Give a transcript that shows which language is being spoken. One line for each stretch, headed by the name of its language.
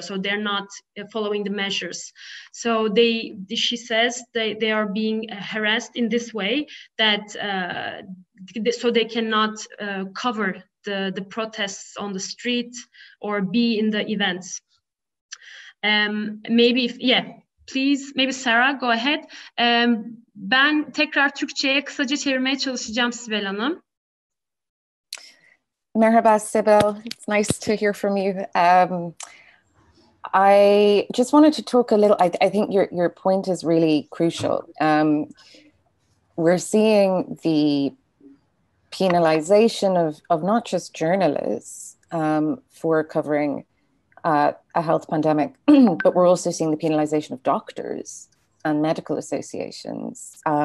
English: So they're not following the measures. So she says they are being harassed in this way that so they cannot cover the protests on the street or be in the events. Please, maybe Sarah, go ahead.
Turkish: Ben tekrar Türkçe'ye kısaca çevirmeye çalışacağım Sibel Hanım. Merhaba
English: Sibel, it's nice to hear from you. I just wanted to talk a little, I think your point is really crucial. We're seeing the penalization of not just journalists for covering a health pandemic, but we're also seeing the penalization of doctors and medical associations.